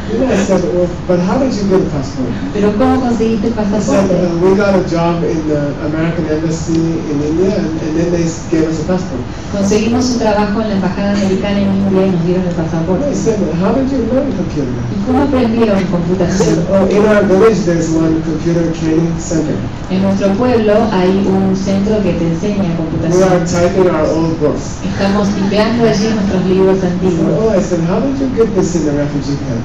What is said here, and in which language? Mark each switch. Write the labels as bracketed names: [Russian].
[English] You know, I said, well, but how did you get a passport? [Spanish] ¿Pero cómo conseguiste el pasaporte? [English] Said, we got a job in the American Embassy in India, and then they gave us a passport. [Spanish] Conseguimos un trabajo en la embajada americana en India y nos dieron el pasaporte. [English] I said, how did you learn computer? [Spanish] ¿Y cómo aprendieron computación? [English] Oh, in our village there's one computer training center. [Spanish] En nuestro pueblo hay un centro que te enseña computación. [English] We are typing our old books. [Spanish] Estamos tipeando allí nuestros libros antiguos. [English] So, oh, I said, how did you get this in the refugee camp?